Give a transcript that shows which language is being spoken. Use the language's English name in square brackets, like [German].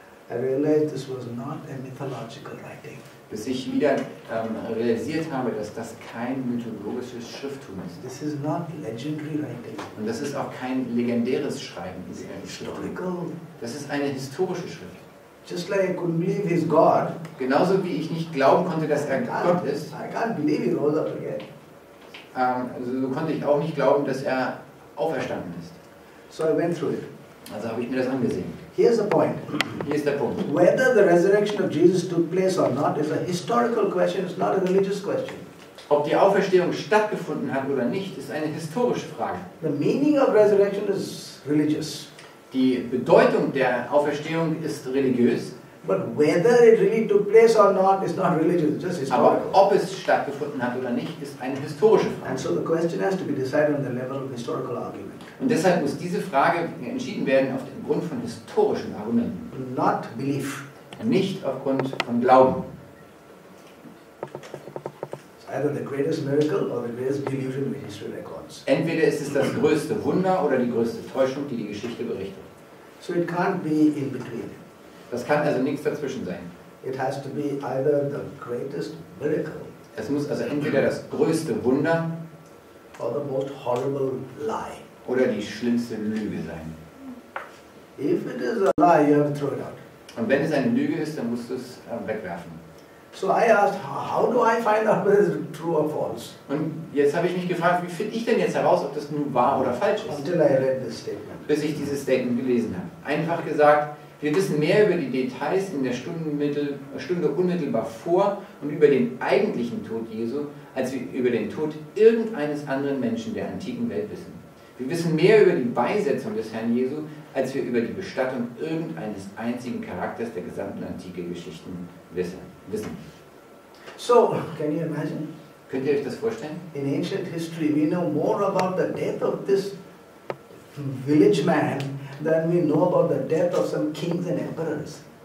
[English] I realized this was not a mythological writing. [German] Bis ich wieder realisiert habe, dass das kein mythologisches Schrifttum ist. [English] This is not legendary writing. [German] Und das ist auch kein legendäres Schreiben. [English] Historical. [German] Das ist eine historische Schrift. [English] Just like I couldn't believe he's God. [German] Genauso wie ich nicht glauben konnte, dass er Gott ist. [English] I can't believe he rose up again. [German] Also so konnte ich auch nicht glauben, dass er auferstanden ist. [English] So I went through it. [German] Also habe ich mir das angesehen. [English] Here's the point. [German] Hier ist der Punkt. [English] Whether the resurrection of Jesus took place or not is a historical question. It's not a religious question. [German] Ob die Auferstehung stattgefunden hat oder nicht, ist eine historische Frage. [English] The meaning of resurrection is religious. [German] Die Bedeutung der Auferstehung ist religiös. [English] But whether it really took place or not is not religious, it's just historical. [German] Aber ob es stattgefunden hat oder nicht, ist eine historische Frage. [English] And so the question has to be decided on the level of historical argument. [German] Und deshalb muss diese Frage entschieden werden auf dem Grund von historischen Argumenten. [English] Not belief. [German] Nicht aufgrund von Glauben. [English] It's either the greatest miracle or the greatest delusion in history records. [German] Entweder ist es das größte Wunder oder die größte Täuschung, die die Geschichte berichtet. [English] So it can't be in between. [German] Das kann also nichts dazwischen sein. [English] It has to be either the greatest miracle. [German] Es muss also entweder das größte Wunder [English] or the most horrible lie. [German] Oder die schlimmste Lüge sein. [English] If it is a lie, you have to throw it out. [German] Und wenn es eine Lüge ist, dann musst du es wegwerfen. [English] So I asked, how do I find out whether it's true or false? [German] Und jetzt habe ich mich gefragt, wie finde ich denn jetzt heraus, ob das nun wahr oder falsch ist? [English] Until I read this statement. [German] Bis ich dieses Statement gelesen habe. Einfach gesagt, wir wissen mehr über die Details in der Stunde unmittelbar vor und über den eigentlichen Tod Jesu, als wir über den Tod irgendeines anderen Menschen der antiken Welt wissen. Wir wissen mehr über die Beisetzung des Herrn Jesu, als wir über die Bestattung irgendeines einzigen Charakters der gesamten antiken Geschichten wissen. [English] So, can you imagine? [German] Könnt ihr euch das vorstellen? [English] In ancient history we know more about the death of this village man than we know about the death of some kings and emperors.